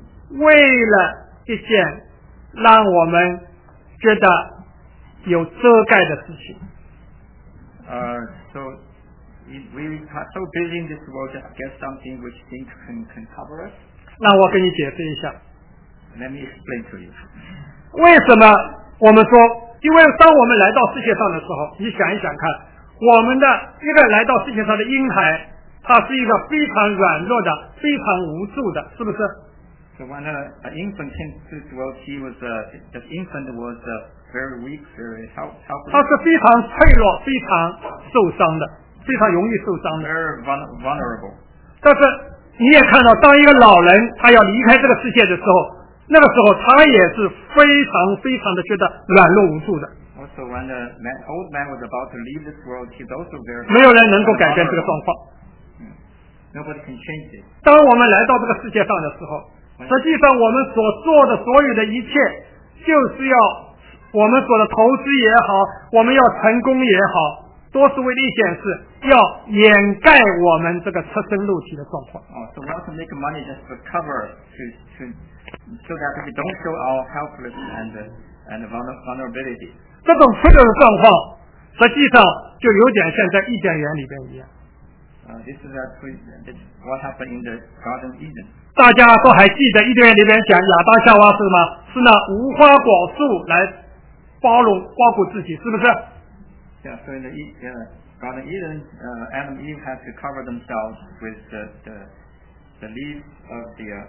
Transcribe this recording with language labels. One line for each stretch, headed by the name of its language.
Chinese: 为了一件让我们觉得有遮盖的事情。
English: So we are so busy in this world to get something which think can cover us.
Chinese: 让我跟你解释一下。
English: Let me explain to you.
Chinese: 为什么我们说？因为当我们来到世界上的时候，你想一想看，我们的一个来到世界上的婴孩，他是一个非常软弱的、非常无助的，是不是？
English: So when an infant came to this world, he was the infant was very weak, very helpless.
Chinese: 他是非常脆弱，非常受伤的，非常容易受伤的。
English: Very vulnerable.
Chinese: 但是你也看到，当一个老人他要离开这个世界的时候，那个时候他也是非常非常的觉得软弱无助的。
English: Also, when the old man was about to leave this world, he's also very.
Chinese: 没有人能够改变这个状况。
English: Nobody can change it.
Chinese: 当我们来到这个世界上的时候。实际上我们所做的所有的一切，就是要我们所的投资也好，我们要成功也好，都是为了一件事，要掩盖我们这个出生入体的状况。
English: So we have to make money just to cover to so that we don't show our helplessness and vulnerability.
Chinese: 这种脆弱的状况实际上就有点像在伊甸园里边一样。
English: This is what happened in the Garden of Eden.
Chinese: 大家都还记得伊甸园里边讲亚当夏娃是什么？是那无花果树来包容包裹自己，是不是？
English: Yeah, so in the Garden of Eden, Adam and Eve had to cover themselves with the leaves of the.